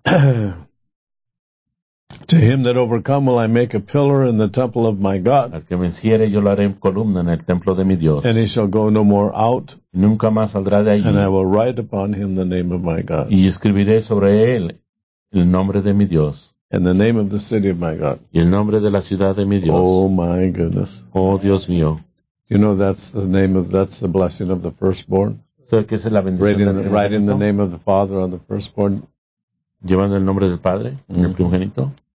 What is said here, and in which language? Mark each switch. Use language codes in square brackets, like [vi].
[en] To him that overcome will I make a pillar in the temple of my God. [es] Al que venciere yo lo haré en columna en el templo de mi Dios. [en] And he shall go no more out. [es] Nunca más saldrá de allí. [en] And I will write upon him the name of my God. [es] Y escribiré sobre él el nombre de mi Dios. [en] And the name of the city of my God. [es] Y el nombre de la ciudad de mi Dios. [en] Oh my goodness. [es] Oh Dios mío. [en] You know that's the name of that's the blessing of the firstborn. [es] So, ¿qué es la bendición del primogénito? [en] Writing the name of the father on the firstborn. [es] Llevando el nombre del padre en el primogénito.